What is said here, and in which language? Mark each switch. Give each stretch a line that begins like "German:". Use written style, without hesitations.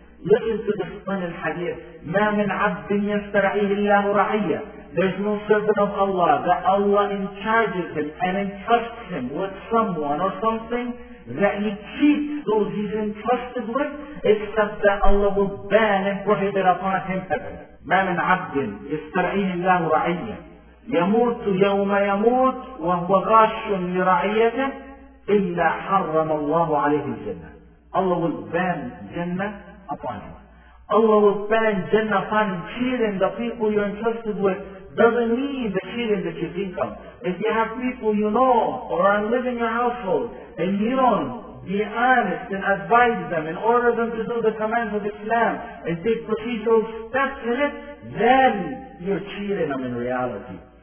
English: Listen to the final hadith.
Arabic: مَا مِنْ عَبْدٍ يَسْتَرَعِيهِ اللَّهُ رَعِيَّةً
English: There's no servant of Allah that Allah in charge of him and entrusts him with someone or something that he cheats those he's entrusted with, except that Allah will ban and prohibit upon him ever.
Arabic: مَا مِنْ عَبْدٍ يَسْتَرَعِيهِ اللَّهُ رَعِيَّةً يموت يوم يموت وهو غاش لرعيته إلا حرم الله عليه الجنة.
English: Allah will ban Jannah upon him. Allah will ban Jannah upon him. Cheating the people you're entrusted with doesn't mean the cheating that you think of. If you have people you know or are living in your household and you don't be honest and advise them and order them to do the commands of Islam and take procedural steps in it, then you're cheating them in reality.